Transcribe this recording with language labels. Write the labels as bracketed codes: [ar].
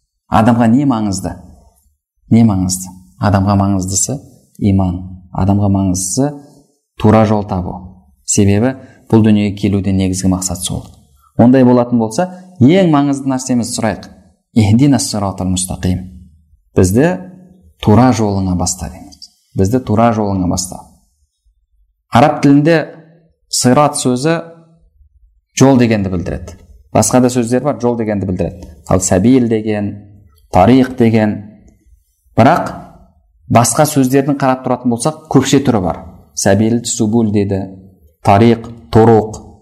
[kk] Адамға не маңызды? Не маңызды? Адамға маңыздысы иман. Адамға маңыздысы тура жол табу. Себебі бұл дүниеге келуде негізгі мақсат сол. Ондай болатын болса, ең маңызды нәрсемізді сұрайық. [ar] Ихдинас сиратал мустақим. [kk] Бізді тура жолыңа баста дейміз. Бізді тура жолыңа баста. Араб тілінде сират сөзі жол дегенді білдіреді. Басқа да сөздер бар, жол дегенді білдіреді. Ал сабил деген, тарих деген. Бірақ басқа сөздердің қарап тұратын болсақ, көпше түрі бар. Сабил, субул деді, тарих, туруқ.